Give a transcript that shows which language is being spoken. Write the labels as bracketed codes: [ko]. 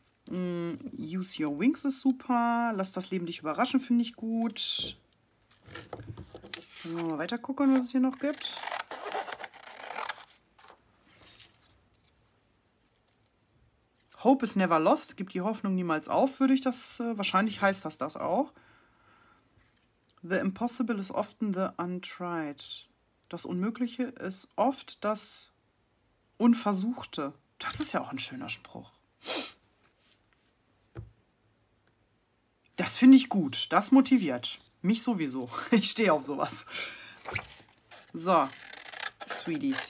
[en] Use your wings [de] ist super. Lass das Leben dich überraschen, finde ich gut. Mal weiter gucken, was es hier noch gibt. [en] Hope is never lost. [de] Gib die Hoffnung niemals auf, würde ich das. Wahrscheinlich heißt das das auch. [en] The impossible is often the untried. [de] Das Unmögliche ist oft das Unversuchte. Das ist ja auch ein schöner Spruch. Das finde ich gut. Das motiviert. Mich sowieso. Ich stehe auf sowas. So, Sweeties.